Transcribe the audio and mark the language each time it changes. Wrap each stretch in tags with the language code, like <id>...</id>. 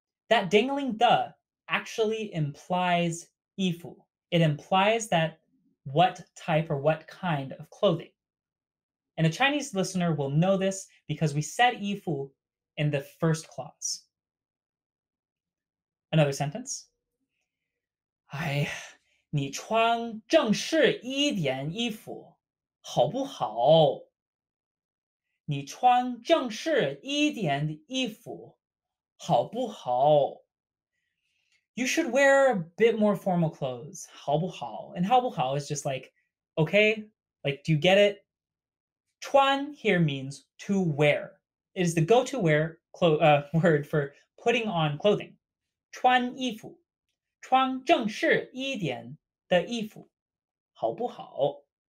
<en>That dangling the actually implies 衣服. It implies that what type or what kind of clothing. And a Chinese listener will know this because we said 衣服 in the first clause. Another sentence.</en> <zh>哎，你穿正式一点衣服好不好？你穿正式一点衣服好不好？</zh> <en>You should wear a bit more formal clothes.</en> <zh>好不好?</zh> <en>And 好不好 is just like, okay, like, do you get it? 穿 here means to wear. It is the go-to wear word for putting on clothing.</en> <zh>穿衣服。穿正式一点的衣服。好不好?</zh>